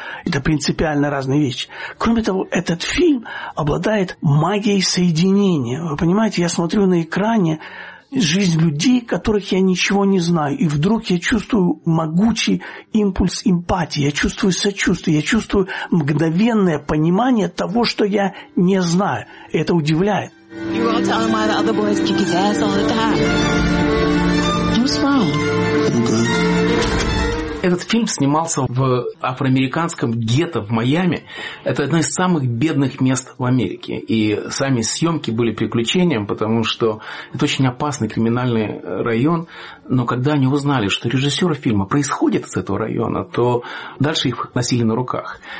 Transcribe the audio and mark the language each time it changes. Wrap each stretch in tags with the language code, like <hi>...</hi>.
<ru>Это принципиально разные вещи. Кроме того, этот фильм обладает магией соединения. Вы понимаете, я смотрю на экране жизнь людей, которых я ничего не знаю. И вдруг я чувствую могучий импульс эмпатии. Я чувствую сочувствие. Я чувствую мгновенное понимание того, что я не знаю. И это удивляет.</ru> <en>You won't tell him why the other boys kick his ass all the time. Who's wrong? Okay.</en> <ru>Этот фильм снимался в афроамериканском гетто в Майами. Это одно из самых бедных мест в Америке. И сами съемки были приключением, потому что это очень опасный криминальный район. Но когда они узнали, что режиссер фильма происходит из этого района, то дальше их носили на руках.</ru>